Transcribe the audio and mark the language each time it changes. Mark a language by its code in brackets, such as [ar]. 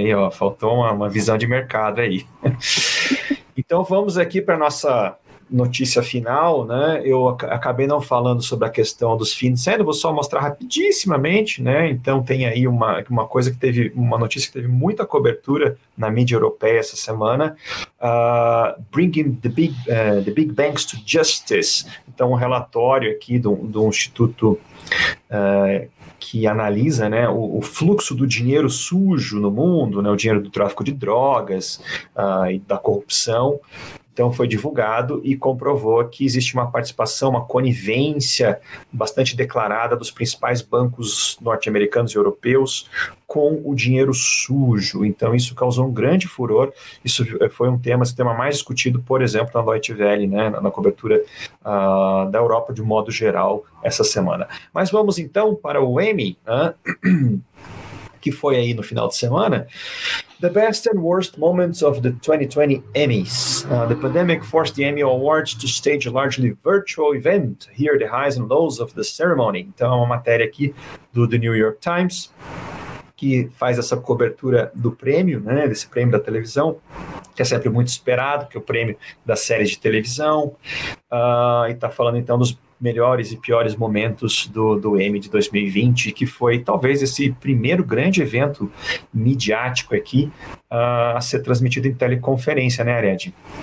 [pt] Faltou uma visão de mercado aí. Então vamos aqui para a nossa notícia final, né? Eu acabei não falando sobre a questão dos fins, vou só mostrar rapidíssimamente, né? Então tem aí uma coisa que teve, uma notícia que teve muita cobertura na mídia europeia essa semana. [en] Bringing the big banks to justice. [pt] Então, um relatório aqui do Instituto. Que analisa, né, o fluxo do dinheiro sujo no mundo, né, o dinheiro do tráfico de drogas e da corrupção. Então foi divulgado e comprovou que existe uma participação, uma conivência bastante declarada dos principais bancos norte-americanos e europeus com o dinheiro sujo. Então isso causou um grande furor, isso foi um tema, esse tema mais discutido, por exemplo, na Deutsche Welle, né, na cobertura da Europa de modo geral essa semana. Mas vamos então para o Emmy, que foi aí no final de semana. [en] The best and worst moments of the 2020 Emmys. The pandemic forced the Emmy Awards to stage a largely virtual event. Here are the highs and lows of the ceremony. [pt] Então, é uma matéria aqui do The New York Times, que faz essa cobertura do prêmio, né, desse prêmio da televisão, que é sempre muito esperado, que é o prêmio da série de televisão. E está falando, então, dos melhores e piores momentos do Emmy de 2020, que foi talvez esse primeiro grande evento midiático aqui a ser transmitido em teleconferência, né, Ariadne?